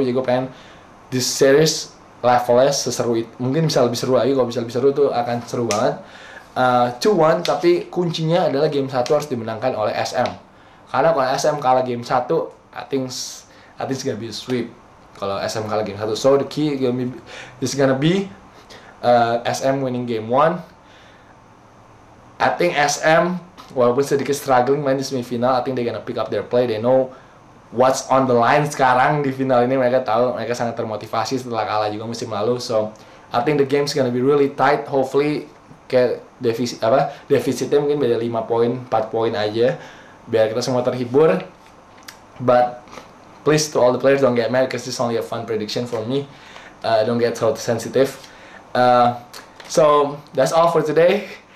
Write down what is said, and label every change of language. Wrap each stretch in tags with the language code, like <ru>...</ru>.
<id>Jadi gue pengen</id> <en>this series</en> <id>levelnya seseru itu, mungkin bisa lebih seru lagi. Kalau bisa lebih seru itu akan seru banget. 2-1, tapi kuncinya adalah game 1 harus dimenangkan oleh SM. Karena kalau SM kalah game 1,</id> <en>I think it's gonna be a sweep.</en> <id>Kalau SM kalah game 1,</id> <en>so the key is gonna be SM winning game 1. I think SM,</en> <id>walaupun sedikit struggling main di semifinal,</id> <en>I think they gonna pick up their play. They know what's on the line</en> <id>sekarang di final ini. Mereka tahu, mereka sangat termotivasi setelah kalah juga musim lalu.</id> <en>So I think the game's gonna be really tight. Hopefully</en> <id>kayak defisitnya mungkin beda 5 poin, 4 poin aja, biar kita semua terhibur.</id> <en>But please to all the players, don't get mad, because this is only a fun prediction for me. Don't get so sensitive. So that's all for today.</en>